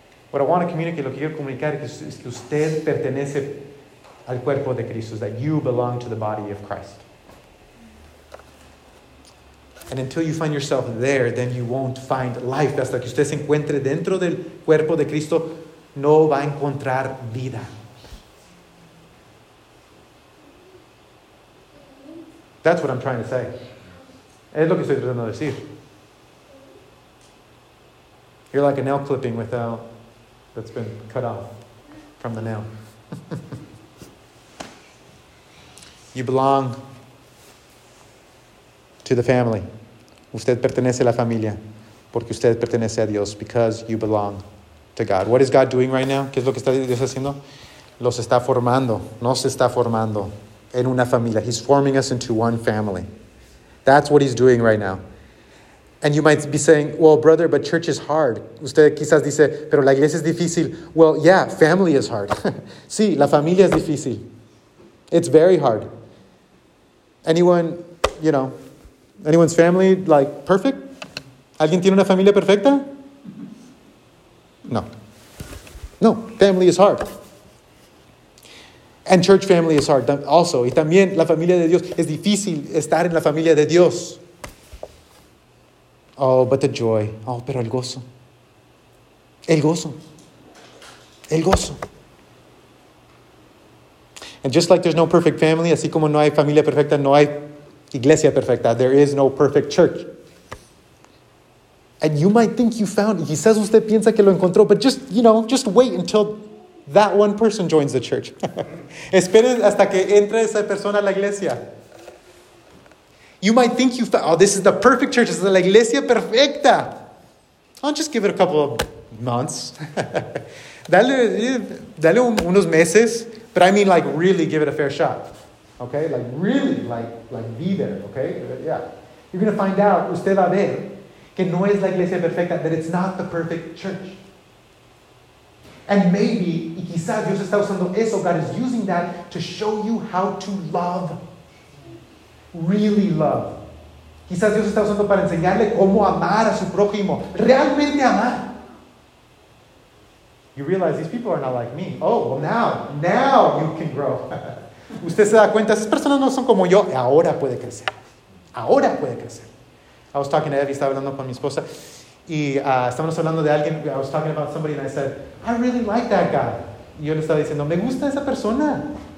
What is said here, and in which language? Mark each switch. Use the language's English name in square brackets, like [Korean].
[English] What I want to communicate, [Spanish] lo que quiero comunicar es que usted pertenece al cuerpo de Cristo, [English] that you belong to the body of Christ. And until you find yourself there, then you won't find life. [Spanish] Hasta que usted se encuentre dentro del cuerpo de Cristo, no va a encontrar vida. [English] That's what I'm trying to say. [Spanish] Es lo que estoy tratando de decir. [English] You're like a nail clipping that's been cut off from the nail. You belong to the family. [Spanish] Usted pertenece a la familia porque usted pertenece a Dios, [English] because you belong to God. What is God doing right now? [Spanish] ¿Qué es lo que está Dios haciendo? Los está formando. Nos está formando en una familia. [English] He's forming us into one family. That's what He's doing right now. And you might be saying, well, brother, but church is hard. [Spanish] Usted quizás dice, pero la iglesia es difícil. [English] Well, yeah, family is hard. [Spanish] Sí, la familia es difícil. [English] It's very hard. Anyone, you know, anyone's family, like, perfect? [Spanish] ¿Alguien tiene una familia perfecta? No. [English] No, family is hard. And church family is hard also. [Spanish] Y también la familia de Dios. Es difícil estar en la familia de Dios. [English] Oh, but the joy. [Spanish] Oh, pero el gozo. El gozo. El gozo. [English] And just like there's no perfect family, [Spanish] así como no hay familia perfecta, no hay iglesia perfecta. [English] There is no perfect church. And you might think you found it. [Spanish] Quizás usted piensa que lo encontró, [English] but just, you know, just wait until that one person joins the church. [Spanish] Espere hasta que entre esa persona a la iglesia. [English] You might think you found, oh, this is the perfect church. This is [Spanish] la iglesia perfecta. [English] I'll just give it a couple of months. [Spanish] Dale unos meses. [English] But I mean, like, really give it a fair shot. Okay? Like, really, like be there. Okay? Yeah. You're going to find out, [Spanish] usted va a ver, que no es la iglesia perfecta, [English] that it's not the perfect church. And maybe, [Spanish] y quizás Dios está usando eso, [English] God is using that to show you how to love. Really love. [Spanish] Quizás Dios está usando para enseñarle cómo amar a su prójimo. Realmente amar. [English] You realize these people are not like me. Oh, well now you can grow. [Spanish] Usted se da cuenta, esas personas no son como yo. Ahora puede crecer. Ahora puede crecer. [English] I was talking to Evie, [Spanish] estaba hablando con mi esposa. Y estábamos hablando de alguien. [English] I was talking about somebody and I said, I really like that guy. [Spanish] Y yo le estaba diciendo, me gusta esa persona.